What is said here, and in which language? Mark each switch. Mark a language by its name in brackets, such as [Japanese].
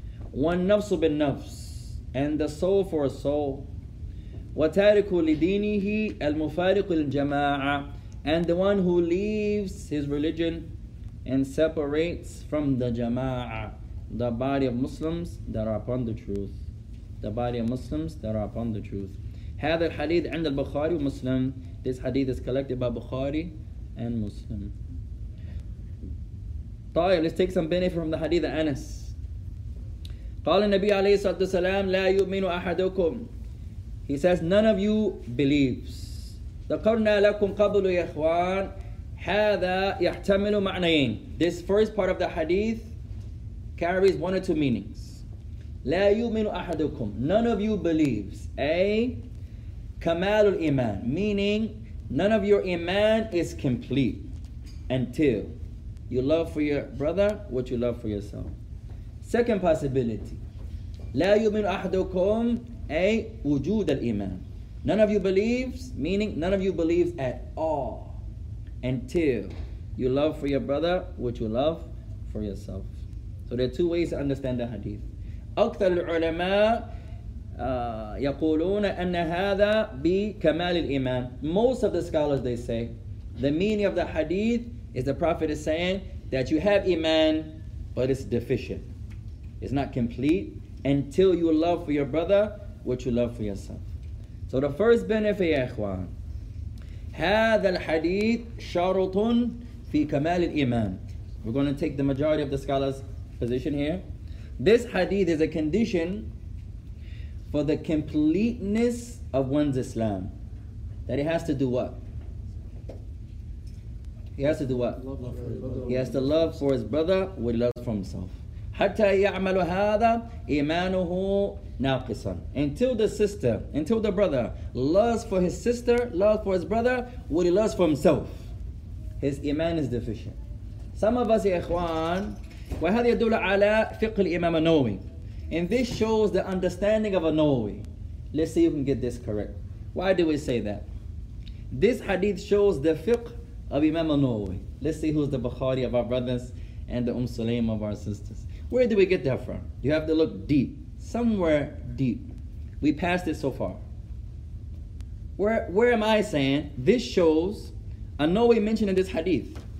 [English] One [Arabic] nafsu bin nafs, [English] and the soul for a soul. [Arabic] وَتَارِكُ لِدِينِهِ الْمُفَارِقُ الْجَمَاعَةِ, [English] and the one who leaves his religion and separates from the jama'ah, the body of Muslims that are upon the truth. [Arabic] هذا الحديث عند البخاري ومسلم. [English] This hadith is collected by Bukhari and Muslim. طيب, let's take some benefit from the hadith of Anas. [Arabic] قال النبي عليه الصلاة والسلام لا يؤمن أحدكم. [English] He says none of you believes. [Arabic] ذكرنا لكم قبل يا إخوان هذا يحتمل معنيين. [English] This first part of the hadith carries one or two meanings. [Arabic] لا يؤمن أحدكم. [English] None of you believes. A [Arabic] كمال الإيمان. [English] Meaning none of your iman is complete until you love for your brother what you love for yourself. Second possibility, [Arabic] لا يؤمن أحدكم أي وجود الإيمان. [English] None of you believes, meaning none of you believes at all until you love for your brother what you love for yourself. So there are two ways to understand the hadith. [Arabic] أكثر العلماء يقولون أن هذا بكمال الإيمان. [English] Most of the scholars, they say, the meaning of the hadith is the Prophet is saying that you have iman, but it's deficient. It's not complete until you love for your brother what you love for yourself. So the first benefit, [Arabic] يا إخوان, هذا الحديث شرط في كمال الإيمان. [English] We're going to take the majority of the scholars' position here. This hadith is a condition for the completeness of one's Islam. That it has to do what? He has to do what? He has to love for his brother with love for himself. [Arabic] حَتَّى يَعْمَلُ هَذَا إِمَانُهُ نَاقِصًا. [English] Until the sister, until the brother loves for his sister, loves for his brother, what he loves for himself, his iman is deficient. Some of us, [Arabic] يا إخوان, وَهَذَا يَدُلُ عَلَى فِقْهِ الْإِمَامَ نَوِي. [English] And this shows the understanding of a Nawawi. Let's see if you can get this correct. Why do we say that? This hadith shows the fiqh of Imam al-Nawawi. Let's see who's the Bukhari of our brothers and the Sulaim of our sisters. Where do we get that from? You have to look deep. Somewhere deep. We passed it so far. Where am I saying this shows a Nawawi mentioned in this hadith?